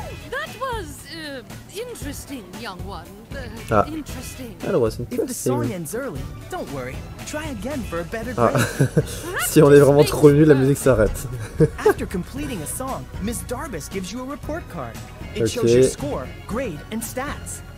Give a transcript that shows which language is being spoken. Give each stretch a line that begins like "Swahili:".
English: That was interesting, young one. Ah. Interesting. That was interesting. If the song ends early, don't worry. Try again for a better break. Ah.
French: Si on est vraiment trop nul, la musique s'arrête.
English: After completing a song, Miss Darbus gives you a report card. It shows your score, grade, and stats.